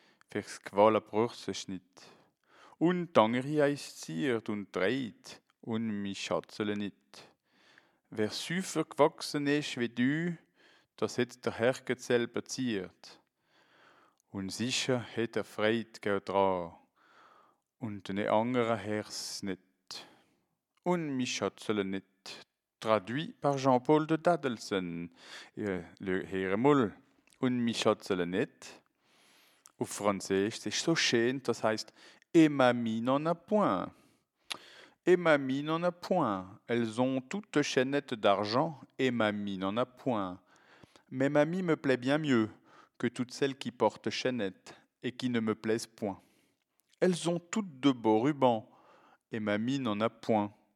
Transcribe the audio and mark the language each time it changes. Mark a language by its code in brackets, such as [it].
[gsw] Fürs gefallen brücht's es nit. Und Dangeri heisst ziert und dreht, und mi schatzele nit. Wer süfer gewachsen ist wie du, das hat der Herrgott selber ziert. Und sicher hat er freit gell dran, und ne andere Herz nit. Und mi schatzele nit. [fr] Traduit par Jean-Paul de Dadelsen. [gsw] Le Heere Moll. Und mi schatzele nit. [de] Auf Französisch, das ist so schön, das heisst, [fr] et mamie n'en a point. Et mamie n'en a point. Elles ont toutes chaînettes d'argent. Et mamie n'en a point. Mais mamie me plaît bien mieux que toutes celles qui portent chaînettes et qui ne me plaisent point. Elles ont toutes de beaux rubans. Et mamie n'en a point.